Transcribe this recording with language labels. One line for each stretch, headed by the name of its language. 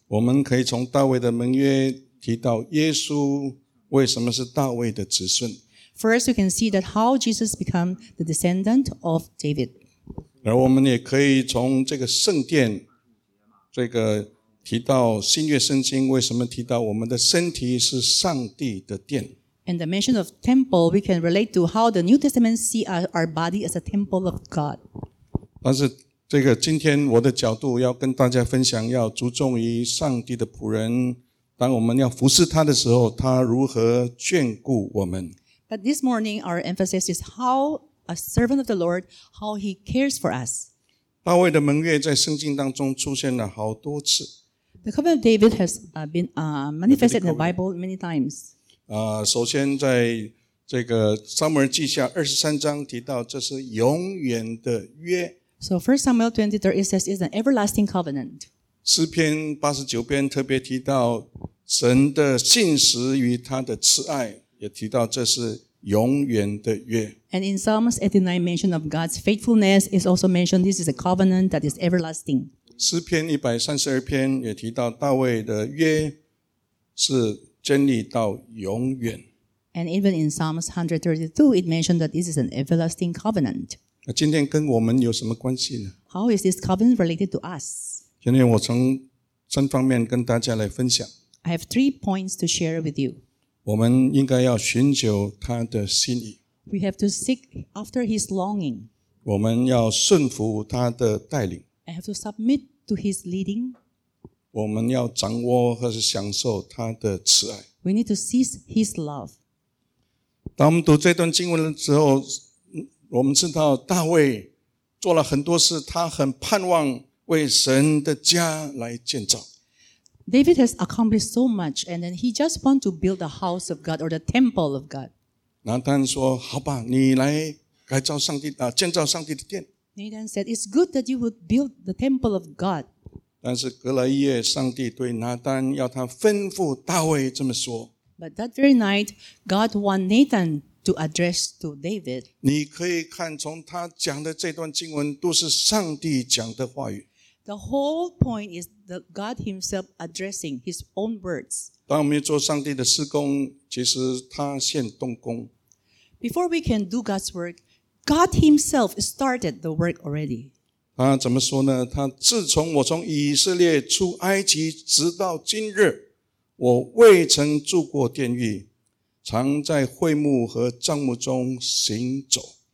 Chinese: 我们可以从大卫的盟约提到耶稣为什么是大卫的子孙。
English: First, we can see that how Jesus became the descendant of David.
Chinese: 而我们也可以从这个圣殿，这个提到新约圣经为什么提到我们的身体是上帝的殿。
English: And the mention of temple, we can relate to how the New Testament see our body as a temple of God.
Chinese: 但是这个今天我的角度要跟大家分享，要着重于上帝的仆人，当我们要服侍他的时候，他如何眷顾我们。
English: But this morning, our emphasis is how a servant of the Lord, how he cares for us.
Chinese: 大卫的盟约在圣经当中出现了好多次。
English: The covenant of David has been manifested in the Bible many times.
Chinese: 首先在这个撒母耳记下23章提到这是永远的约。
English: So 1 Samuel 23, it says it's an everlasting covenant.
Chinese: 诗篇89篇特别提到神的信实与他的慈爱，也提到这是永远的约。
English: And in Psalms 89 mention of God's faithfulness is also mentioned this is a covenant that is everlasting.
Chinese: 诗篇132篇也提到大卫的约是建立到永远。
English: And even in Psalms 132 it mentioned that this is an everlasting covenant.
Chinese: 今天跟我们有什么关系呢？
English: How is this covenant related to us?
Chinese: 今天我从三方面跟大家来分享。
English: I have three points to share with you.
Chinese: 我们应该要寻求他的心意。
English: We have to seek after his longing.
Chinese: 我们要顺服他的带领。
English: I have to submit to his leading.
Chinese: 我们要掌握和享受他的慈爱。
English: We need to seize his love.
Chinese: 当我们读这段经文的时候，我们知道大卫做了很多事，他很盼望为神的家来建造。
English: David has accomplished so much, and then he just wants to build the house of God or the temple of God.
Chinese: Nathan 说：“好吧，你来改造上帝啊，建造上帝的殿。”
English: Nathan said, "It's good that you would build the temple of God."
Chinese: 但是隔了一夜，上帝对拿单要他吩咐大卫这么说。
English: But that very night, God wanted Nathan to address to David.
Chinese: 你可以看从他讲的这段经文，都是上帝讲的话语。
English: The whole point is that God himself addressing his own words.
Chinese: 当我们做上帝的事工，其实他先动工。
English: Before we can do God's work, God himself started the work already.
Chinese: 他怎么说呢？他自从我从以色列出埃及直到今日，我未曾住过殿宇，常在会幕和帐幕中行走。